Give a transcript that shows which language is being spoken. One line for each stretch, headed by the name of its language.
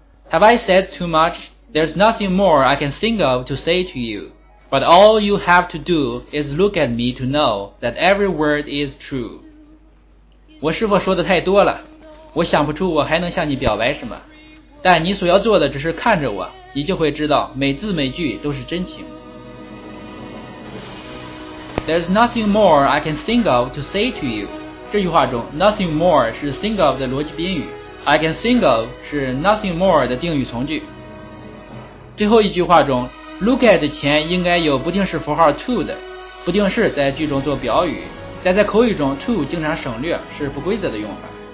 English: Have I said too much? There's nothing more I can think of to say to you. But all you have to do is look at me to know that every word is true.
Chinese: 我是否说的太多了？我想不出我还能向你表白什么。但你所要做的只是看着我，你就会知道每字每句都是真情。
English: There's nothing more I can think of to say to you.
Chinese: 这句话中
English: nothing more 是 think of
Chinese: 的逻辑宾语，
English: I can think of 是 nothing more
Chinese: 的定语从句。最后一句话中 look at 前应该有不定式符号 to 的，不定式在句中做表语，但在口语中 to 经常省略，是不规则的用法。